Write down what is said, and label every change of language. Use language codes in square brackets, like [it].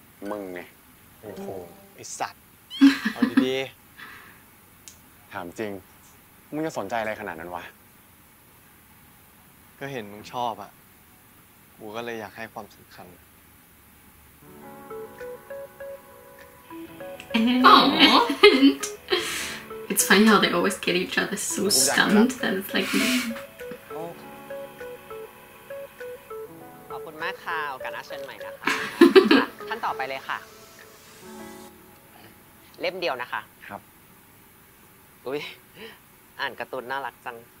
[th] มึงไง โอ้โหไอสัตว์เอาดี ๆถามจริงมึงจะสนใจอะไรขนาดนั้นวะ ก็เห็นมึงชอบอ่ะกูก็เลยอยากให้ความสำคัญ [en] It's funny how they always get each other so stunned that it's like. Oh. [th] ขอบคุณมากค่ะโอกาสหน้าเชิญใหม่นะคะท่านต่อไปเลยค่ะเล่มเดียวนะคะ ครับ อุ๊ยอ่านการ์ตูนน่ารักจัง